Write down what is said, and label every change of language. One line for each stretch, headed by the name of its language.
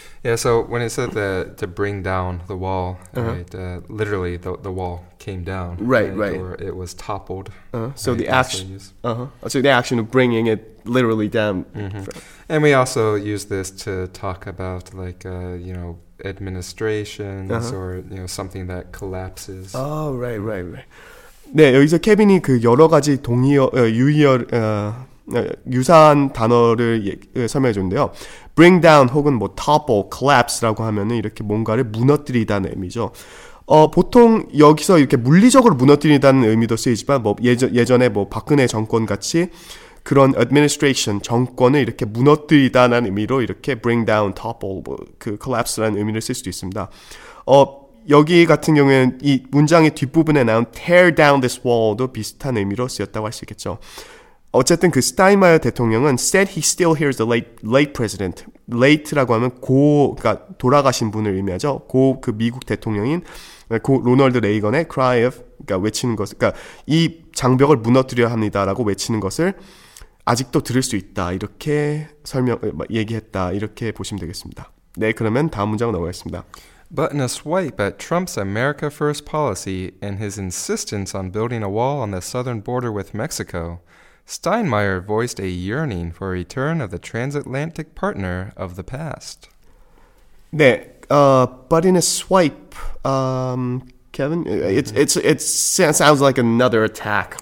English: Yeah, so when it said that to bring down the wall, right, literally the wall came down, right, or it was toppled. So the action, so the action of bringing it literally down. Mm-hmm. And we also use this to talk about like you know administrations or you know something that collapses. Oh, right.
Korean: 네, 여기서 케빈이 그 여러 가지 동의어 유의어 유사한 단어를 설명해줬는데요. Bring down 혹은 뭐 topple, collapse라고 하면은 이렇게 뭔가를 무너뜨리다는 의미죠. 보통 여기서 이렇게 물리적으로 무너뜨리다는 의미도 쓰이지만 뭐 예전에 뭐 박근혜 정권 같이 그런 administration 정권을 이렇게 무너뜨리다는 의미로 이렇게 bring down, topple, 뭐 그 collapse라는 의미를 쓸 수도 있습니다. 여기 같은 경우에는 이 문장의 뒷부분에 나온
English: tear down this wall
Korean: 도 비슷한 의미로 쓰였다고 할 수 있겠죠. 어쨌든 그 스타인마이어 대통령은
English: said he still hears the late president.
Korean: late라고 하면 고 그러니까 돌아가신 분을 의미하죠. 고 그 미국 대통령인 고 로널드 레이건의 cry of 그러니까 외치는 것 그러니까 이 장벽을 무너뜨려야 합니다라고 외치는 것을 아직도 들을 수 있다. 이렇게 설명 얘기했다. 이렇게 보시면 되겠습니다. 네, 그러면 다음 문장으로 넘어가겠습니다.
English: But in a swipe at Trump's America First policy and his insistence on building a wall on the southern border with Mexico. Steinmeier voiced a yearning for a return of the transatlantic partner of the past. 네, but in a swipe, Kevin, it sounds like another attack.